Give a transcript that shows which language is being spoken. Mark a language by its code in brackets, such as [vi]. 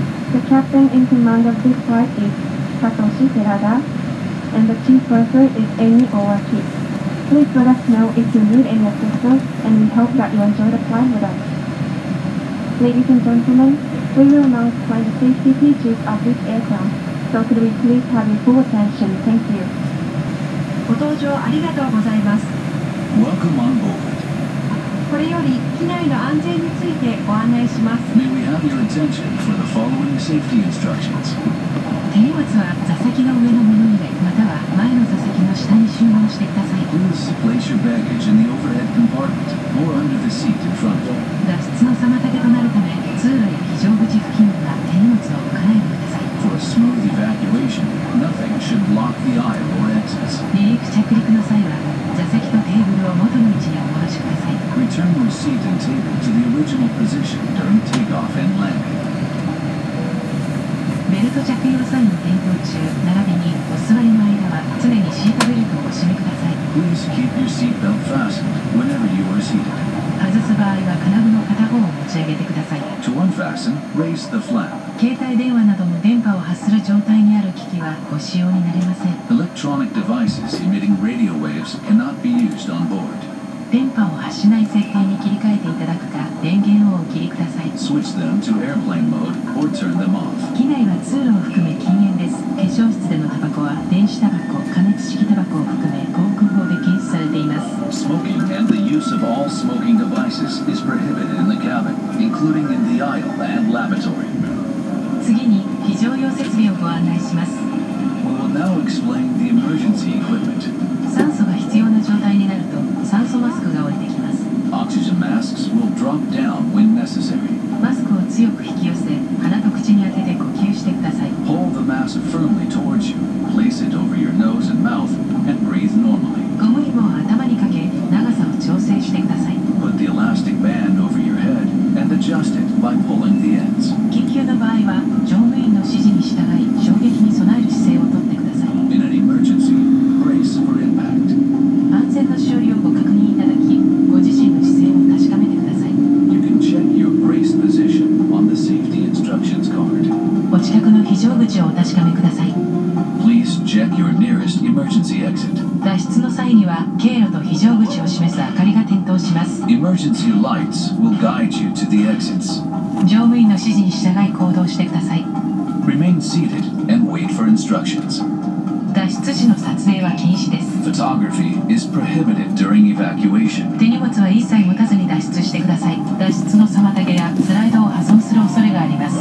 [en] The captain in command of this flight is Satoshi TeradaAnd the chief purser is Amy Owaki. Please let us know if you need any assistance, and we hope that you enjoy the flight with us. Ladies and gentlemen, we will now explain the safety features of this aircraft. So could we please have your full attention? Thank you. [ja] ご搭乗ありがとうございます。 [en] Welcome on board. [ja] これより機内の安全についてご案内します。 [en] May we have your attention for the following safety instructions? [ja] 手荷物は座席の上の物入れまたは前の座席の下に収納してください。 [en] Please place your baggage in the overhead compartment or under the seat in front. [ja] 脱出の妨げとなるため通路や非常口付近には手荷物を置かないでください。 [en] For a smooth evacuation, nothing should block the aisle or exits. [ja] 離陸着陸の際は座席とテーブルを元の位置にお戻しください。 [en] Return your seat and table to the original position during takeoff and landing. [ja] ベルト着用サイン点灯中、並びにお座りの間は常にシートベルトをお締めください。 [en] Please keep your seatbelt fastened whenever you are seated. [ja] 外す場合は金具の片方を持ち上げてください。 [en] To unfasten, raise the flap. [ja] 携帯電話などの電波を発する状態にある機器はご使用になれません。 [en] Electronic devices emitting radio waves cannot be used on board. [ja] 電波を発しない設定に切り替えていただくか、電源をお切りください。 [en] Switch them to airplane mode or turn them off. [ja] 機内は通路を含め禁煙です。化粧室でのタバコは電子タバコ、加熱式タバコを含め航空法で禁止されています。 [en] Smoking and the use of all smoking devices is prohibited in the cabin, including in the aisle and lavatory. [ja] 次に非常用設備をご案内します。 [en] We will now explain the emergency equipment. [ja] 酸素が必要な状態になると酸素マスクが降りてきます。 [en] Oxygen masks will drop down when necessary. [ja] マスクを強く引き寄せ、鼻と口に当てて呼吸してください。 [en] Hold the mask firmly towards you. Place it over your nose and mouth and breathe normally. [ja] ゴム紐を頭にかけ、長さを調整してください。 [en] Put the elastic band over your head and adjust it by pulling the ends. [ja] 緊急の場合は、乗務員の指示に従い、衝撃に備える姿勢をとってください。 [en] In an emergency, brace for impact. [ja] 安全の周囲をご確認いただき、ご自身の姿勢を確かめてください。 [en] You can check your brace position on the safety instructions card. [ja] お近くの非常口をお確かめください。 [en] Please check your nearest emergency exit. [ja] 脱出の際には、経路と非常口を示す明かりが点灯します。 [en] Emergency lights will guide you to the exits. [ja] 乗務員の指示に従い行動してください。 [en] Remain seated and wait for instructions. [ja] 脱出時の撮影は禁止です。 [en] Photography is prohibited during evacuation. [ja] 手荷物は一切持たずに脱出してください。脱出の妨げやスライドを破損する恐れがあります。